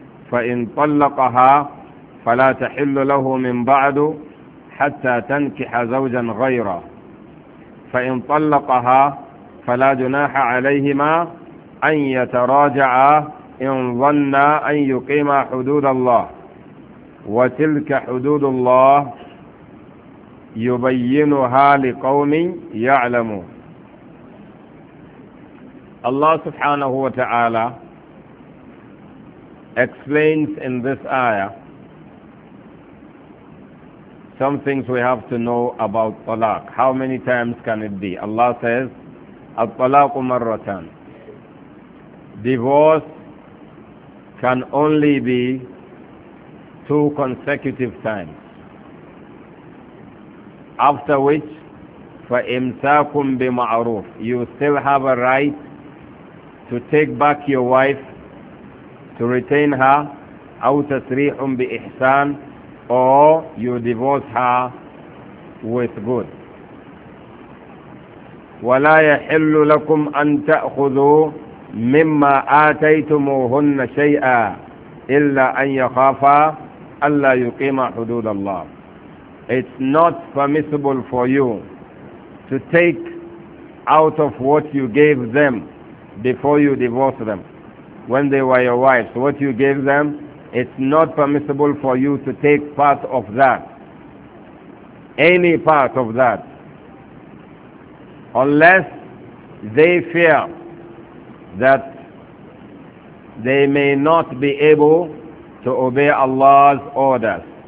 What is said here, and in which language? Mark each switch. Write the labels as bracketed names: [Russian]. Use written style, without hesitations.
[Arabic] فإن طلقها فلا تحل له من بعد حتى تنكح زوجا غيره، فإن طلقها فلا جناح عليهما أن يتراجعا إن ظنا أن يقيما حدود الله، وتلك حدود الله يبينها لقوم يعلمون. [English] Allah subhanahu wa ta'ala explains in this ayah some things we have to know about talaq. How many times can it be? Allah says, [Arabic] Al-talaqu marratan. [English] Divorce can only be two consecutive times. After which, [Arabic] فَإِمْسَاكُمْ بِمَعْرُوفٍ. [English] You still have a right to take back your wife, to retain her, [Arabic] أو تسريح بإحسان, [English] or you divorce her with good. [Arabic] ولا يحل لكم أن تأخذوا مما آتيتموهن شيئا إلا أن يخافا ألا يقيما حدود الله. [English] It's not permissible for you to take out of what you gave them before you divorce them, when they were your wives, what you gave them, it's not permissible for you to take part of that, any part of that, unless they fear that they may not be able to obey Allah's orders.